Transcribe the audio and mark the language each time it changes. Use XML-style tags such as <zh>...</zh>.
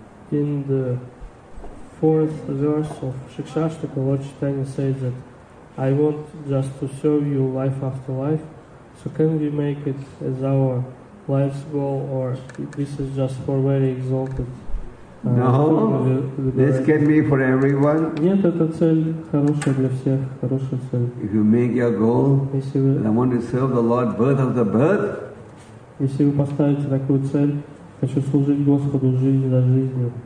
<en>In the fourth verse of Shikshashtaka, Lord Chaitanya says that I want just to serve you life after life, so can we make it as our life's goal, or this is just for very exalted No, this can be for everyone.</en> <ru>Нет, эта цель хорошая для всех, хорошая цель.</ru> <en>If you make your goal, and I want to serve the Lord, birth of the birth.</en> <ru>Если вы поставите такую цель, хочу служить Господу жизнь за жизнью.</ru>